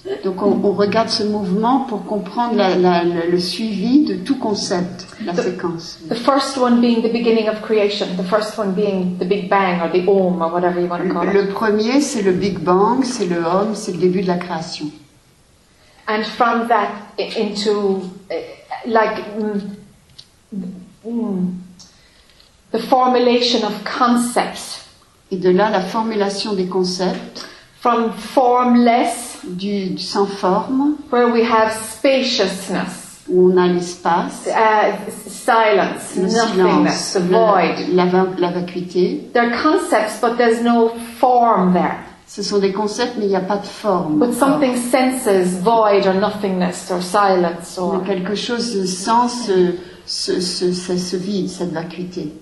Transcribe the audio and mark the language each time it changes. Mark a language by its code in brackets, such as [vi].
[fr] Donc on regarde ce mouvement pour comprendre le suivi de tout concept, séquence. [en] The first one being the beginning of creation, the first one being the Big Bang or the Om or whatever you want to call it. [fr] Le premier c'est le Big Bang, c'est le Om, c'est le début de la création. [en] And from that into like the formulation of concepts. [fr] Et de là la formulation des concepts. [en] From formless, [fr] du sans forme, [en] where we have spaciousness, [fr] où on a l'espace, [en] silence, nothingness, [fr] silence, [en] the void, [fr] la vacuité. [en] There are concepts, but there's no form there. [fr] Ce sont des concepts, mais il n'y a pas de forme. [en] But something senses void or nothingness or silence or. [fr] Mais quelque chose sens ce vide, cette vacuité.